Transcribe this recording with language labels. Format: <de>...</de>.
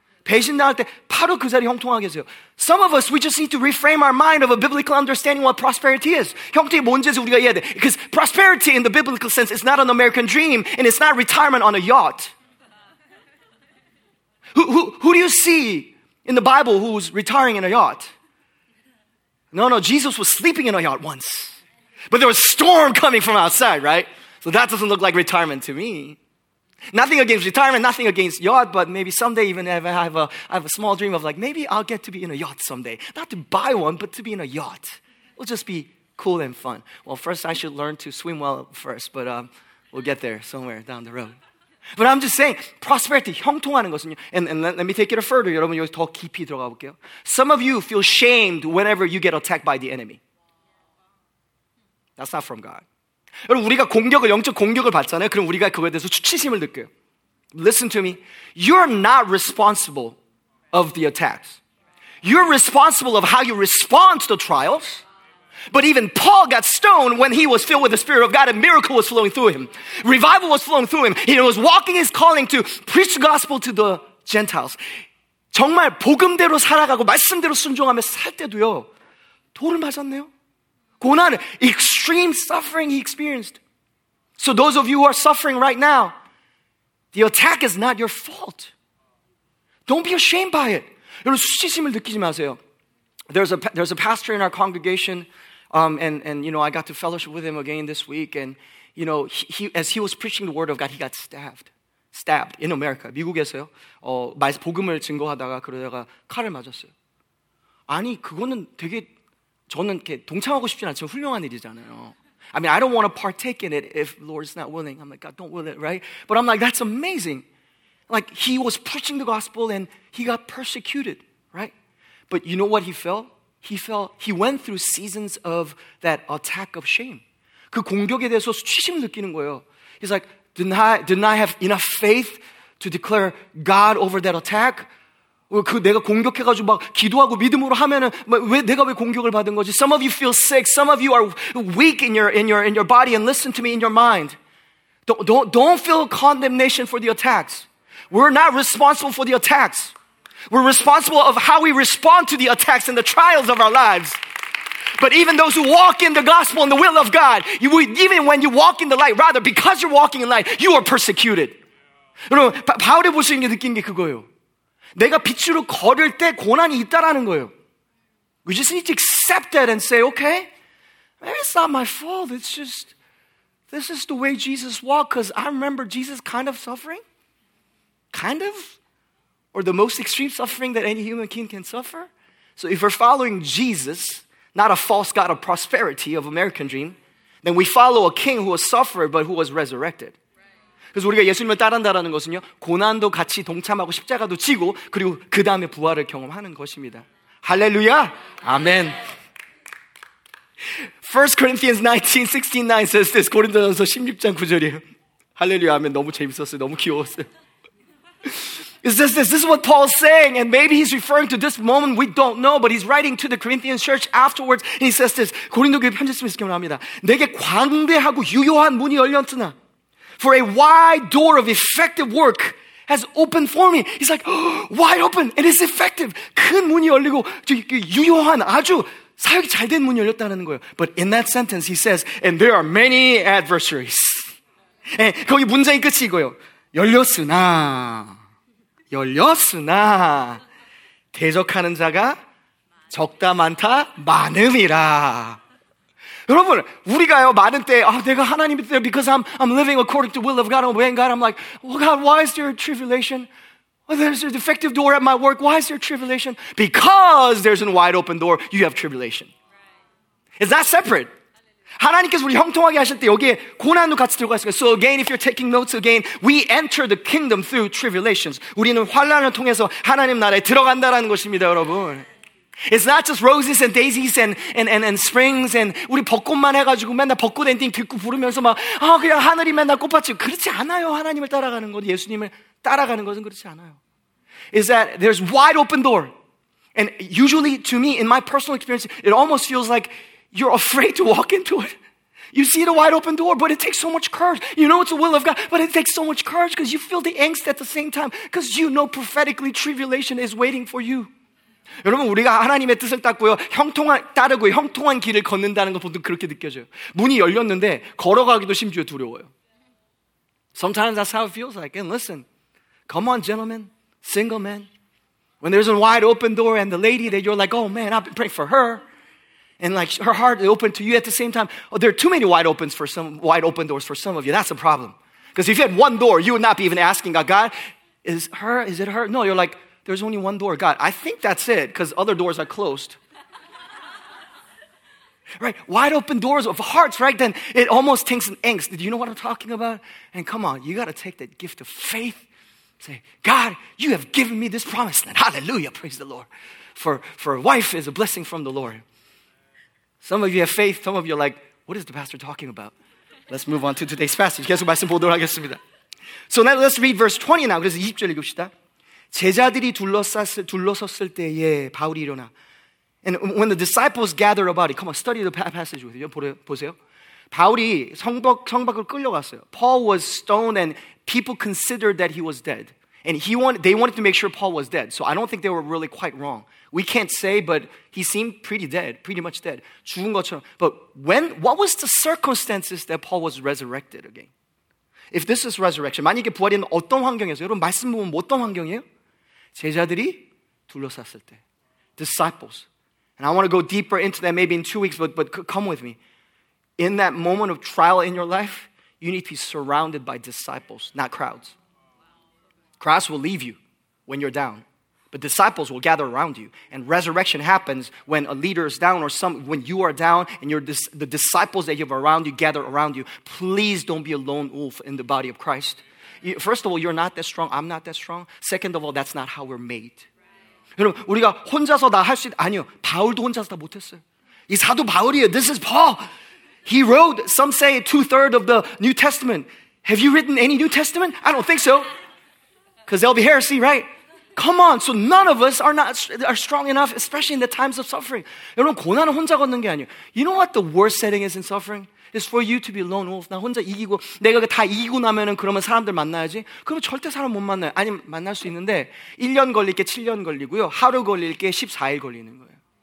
<ko>배신당할 때 바로 그 자리 형통하게 하세요.</ko> <en>Some of us, we just need to reframe our mind of a biblical understanding of what prosperity is.</en> <ko>형통이 뭔지 우리가 이해해야 돼.</ko> <en>Because prosperity in the biblical sense is not an American dream and it's not retirement on a yacht. Who do you see in the Bible who's retiring in a yacht? No, Jesus was sleeping in a yacht once. But there was a storm coming from outside, right? So that doesn't look like retirement to me. Nothing against retirement, nothing against yacht, but maybe someday even if I have a small dream of like, maybe I'll get to be in a yacht someday. Not to buy one, but to be in a yacht. It'll just be cool and fun. Well, first I should learn to swim well first, but we'll get there somewhere down the road. But I'm just saying, prosperity,</en> <ko>형통하는 것은요.</ko> <en>And let me take it further.</en> <ko>여러분, 여기 더 깊이 들어가 볼게요.</ko> <en>Some of you feel shamed whenever you get attacked by the enemy. That's not from God.</en> <ko>여러분, 우리가 공격을, 영적 공격을 받잖아요. 그럼 우리가 그거에 대해서 수치심을 느껴요.</ko> <en>Listen to me. You're not responsible of the attacks. You're responsible of how you respond to the trials. But even Paul got stoned when he was filled with the Spirit of God, and miracle was flowing through him. Revival was flowing through him. He was walking his calling to preach the gospel to the Gentiles.</en> <ko>정말 복음대로 살아가고 말씀대로 순종하며 살 때도요, 돌을 맞았네요. 고난,</ko> <en>extreme suffering he experienced. So those of you who are suffering right now, the attack is not your fault. Don't be ashamed by it.</en> <ko>여러분, 수치심을 느끼지 마세요.</ko> <en>There's a pastor in our congregation, and you know, I got to fellowship with him again this week, and you know, as he was preaching the word of God, he got stabbed in America.</en> <ko>미국에서요. 복음을 증거하다가 그러다가 칼을 맞았어요. 아니, 그거는 되게 저는 이렇게 동참하고 싶진 않지만 훌륭한 일이잖아요.</ko> <en>I mean, I don't want to partake in it if the Lord is not willing. I'm like, God, don't will it, right? But I'm like, that's amazing. Like, he was preaching the gospel and he got persecuted, right? But you know what he felt? He went through seasons of that attack of shame.</en> <ko>그 공격에 대해서 수치심을 느끼는 거예요.</ko> <en>He's like, didn't I have enough faith to declare God over that attack?</en> <ko>그 내가 공격해가지고 막 기도하고 믿음으로 하면은 왜 내가 왜 공격을 받은 거지?</ko> <en>Some of you feel sick. Some of you are weak in your body. And listen to me, in your mind, don't feel condemnation for the attacks. We're not responsible for the attacks. We're responsible of how we respond to the attacks and the trials of our lives. But even those who walk in the gospel and the will of God, even when you walk in the light, rather because you're walking in light, you are persecuted.</en> <ko>여러분, 바울이 보신 게 느낀 게 그거예요. 내가 빛으로 걸을 때 고난이 있다라는 거예요.</ko> <en>We just need to accept that and say, okay, maybe it's not my fault. It's just, this is the way Jesus walked, because I remember Jesus kind of suffering. Kind of? Or the most extreme suffering that any human king can suffer? So if we're following Jesus, not a false god of prosperity, of American dream, then we follow a king who has suffered but who was resurrected.</en> <ko>그래서 우리가 예수님을 따른다라는 것은요, 고난도 같이 동참하고 십자가도 지고 그리고 그 다음에 부활을 경험하는 것입니다. 할렐루야! 아멘!</ko> <en>1 Corinthians 19, 16, 9 says this.</en> <ko>고린도전서 16장 9절이에요. 할렐루야! 아멘! 너무 재밌었어요. 너무 귀여웠어요.</ko> <en>This is what Paul's saying, and maybe he's referring to this moment, we don't know, but he's writing to the Corinthian church afterwards, and he says this,</en> <ko>고린도 교회 편지쓰면서 기억납니다. 내게 광대하고 유효한 문이 열렸으나,</ko> <en>for a wide door of effective work has opened for me. He's like, oh, wide open, and it's effective.</en> <ko>큰 문이 열리고 유효한 아주 사역이 잘 된 문이 열렸다는 거예요.</ko> <en>But in that sentence, he says, and there are many adversaries.</en> <ko>네, 거기 문장이 끝이 이거예요. 열렸으나, 열렸으나 대적하는 자가 적다 많다 많음이라. 여러분, 우리가요 많은 때 내가 하나님의 때</ko> <en>because I'm living according to the will of God, obeying God, I'm like, oh God, why is there a tribulation? Oh, there's a defective door at my work. Why is there a tribulation? Because there's a wide open door, you have tribulation. Is that separate?</en> <ko>하나님께서 우리 형통하게 하실 때 여기에 고난도 같이 들어가 있어요.</ko> <en>So again, if you're taking notes again, we enter the kingdom through tribulations.</en> <ko>우리는 환난을 통해서 하나님 나라에 들어간다라는 것입니다, 여러분.</ko> <en>It's not just roses and daisies and springs and</en> <ko>우리 벚꽃만 해가지고 맨날 벚꽃 엔딩 듣고 부르면서 막 그냥 하늘이 맨날 꽃밭이 그렇지 않아요. 하나님을 따라가는 것, 예수님을 따라가는 것은 그렇지 않아요.</ko> <en>Is that there's wide open door. And usually to me, in my personal experience, it almost feels like you're afraid to walk into it. You see the wide open door, but it takes so much courage. You know it's the will of God, but it takes so much courage because you feel the angst at the same time because you know prophetically tribulation is waiting for you. 여러분, 우리가 하나님의 뜻을 따고요, 형통한 따르고 형통한 길을 걷는다는 것 보통 그렇게 느껴져요. 문이 열렸는데 걸어가기도 심지어 두려워요. Sometimes that's how it feels like. And listen, come on, gentlemen, single men. When there's a wide open door and the lady that you're like, oh man, I've been praying for her. And like her heart is open to you at the same time. Oh, there are too many wide open doors for some of you. That's a problem. Because if you had one door, you would not be even asking God, God, is her? Is it her? No, you're like, there's only one door. God, I think that's it because other doors are closed. Right? Wide open doors of hearts, right? Then it almost takes an angst. Do you know what I'm talking about? And come on, you got to take that gift of faith. Say, God, you have given me this promise. And hallelujah, praise the Lord. For wife is a blessing from the Lord. Some of you have faith. Some of you are like, what is the pastor talking about? Let's move on to today's passage.</en> <ko>계속 말씀 보도록 하겠습니다.</ko> <en>So now let's read verse 20 now.</en> <ko>그래서 20절 읽읍시다. 제자들이 둘러섰을 때에 바울이 일어나.</ko> <en>And when the disciples gathered about it, come on, study the passage with you.</en> <ko>보세요. 바울이 성벽을 끌려갔어요.</ko> <en>Paul was stoned and people considered that he was dead. And they wanted to make sure Paul was dead. So I don't think they were really quite wrong. We can't say, but he seemed pretty much dead.</en> <ko>죽은 것처럼.</ko> <en>But what was the circumstances that Paul was resurrected again? If this is resurrection,</en> <ko>만약에 부활인 어떤 환경에서, 여러분 말씀 보면 어떤 환경이에요? 제자들이 둘러쌌을 때.</ko> <en>Disciples. And I want to go deeper into that maybe in 2 weeks, but come with me. In that moment of trial in your life, you need to be surrounded by disciples, not crowds. Crowds will leave you when you're down. But disciples will gather around you. And resurrection happens when a leader is down or when you are down and the disciples that you have around you gather around you. Please don't be a lone wolf in the body of Christ. First of all, you're not that strong. I'm not that strong. Second of all, that's not how we're made.</en> <ko>여러분, 우리가 혼자서 다 할 수 있... 아니요, 바울도 혼자서 다 못했어요. 이 사도 바울이에요.</ko> <en>This is Paul. He wrote, some say, 2/3 of the New Testament. Have you written any New Testament? I don't think so. Because there'll be heresy, right? Come on. So none of us are strong enough, especially in the times of suffering.</en> <ko>여러분, 고난은 혼자 걷는 게 아니에요.</ko> <en>You know what the worst setting is in suffering? It's for you to be lone wolf.</en> <ko>나 혼자 이기고, 내가 다 이기고 나면은 그러면 사람들 만나야지. 그러면 절대 사람 못 만나요. 아니, 만날 수 있는데, 1년 걸릴 게 7년 걸리고요. 하루 걸릴 게 14일 걸리는 거예요.</ko>